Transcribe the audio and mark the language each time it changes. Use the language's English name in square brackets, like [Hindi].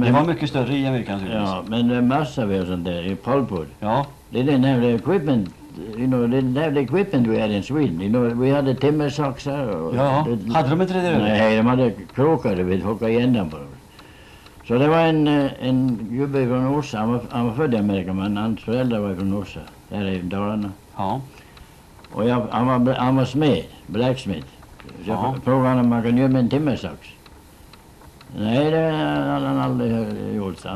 [Swedish] det var mycket större i Amerika naturligtvis. Ja, men massa vi har sånt där, i pulpwood. Ja. [English] They didn't have the equipment, you know, they didn't have the equipment we had in Sweden. You know, we had the timber socks there. [Swedish] Ja, hade de inte det där? Nej, de hade krokar, vi hockade igen dem på dem. Så det var en gubbe från Orsa, han var född i Amerika, men hans föräldrar var från Orsa, där i Dalarna. Ja. Och han var smed, blacksmith. Så jag frågade honom om man kan göra med en timmer sax. Nej, det hade han aldrig gjort, så.